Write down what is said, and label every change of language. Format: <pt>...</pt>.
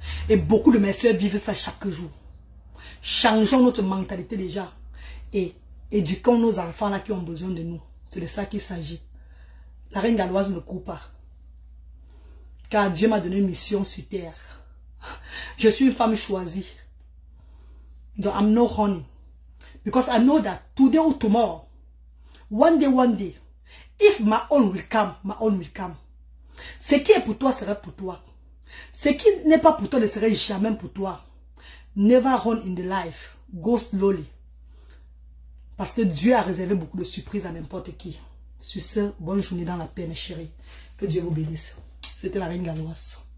<fr>Et beaucoup de mes soeurs vivent ça chaque jour. Changeons notre mentalité déjà. Et éduquons nos enfants-là qui ont besoin de nous. C'est de ça qu'il s'agit. La reine galloise ne court pas. Car Dieu m'a donné une mission sur terre. Je suis une femme choisie. Donc,</fr> <en>I'm not running. Because I know that today or tomorrow, one day, if my own will come, my own will come.</en> <fr>Ce qui est pour toi sera pour toi. Ce qui n'est pas pour toi ne sera jamais pour toi.</fr> <en>Never run in the life. Go slowly.</en> <fr>Parce que Dieu a réservé beaucoup de surprises à n'importe qui. Sur ce, bonne journée dans la paix, mes chéris. Que Dieu vous bénisse. C'était la reine galloise.</fr>